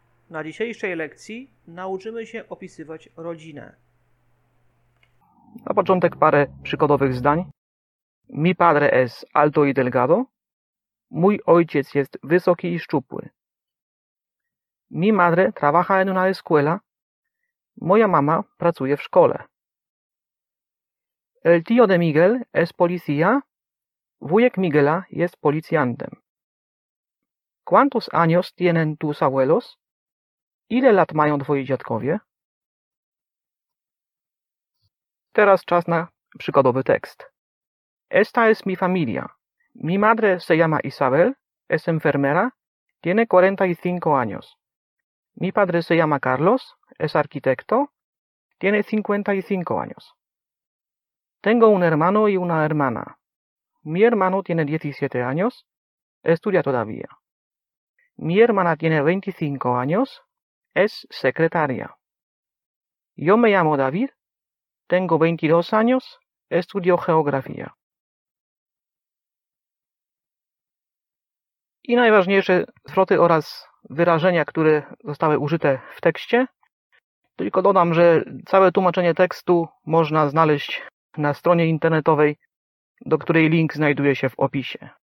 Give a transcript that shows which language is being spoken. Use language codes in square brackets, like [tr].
[pl] Na dzisiejszej lekcji nauczymy się opisywać rodzinę. Na początek parę przykładowych zdań. [es] Mi padre es alto y delgado. [pl] Mój ojciec jest wysoki i szczupły. [es] Mi madre trabaja en una escuela. [pl] Moja mama pracuje w szkole. [es] El tío de Miguel es policía. [pl] Wujek Miguela jest policjantem. [es] ¿Cuántos años tienen tus abuelos? [pl] Ile lat mają twoi dziadkowie? Teraz czas na przykładowy tekst. [es] Esta es mi familia. Mi madre se llama Isabel, es enfermera, tiene 45 años. Mi padre se llama Carlos, es arquitecto, tiene 55 años. Tengo un hermano y una hermana. Mi hermano tiene 17 años, estudia todavía. Mi hermana tiene 25 años, es secretaria. Yo me llamo David, tengo 22 años, estudio geografía. [pl] I najważniejsze zwroty oraz wyrażenia, które zostały użyte w tekście. Tylko dodam, że całe tłumaczenie tekstu można znaleźć na stronie internetowej, do której link znajduje się w opisie.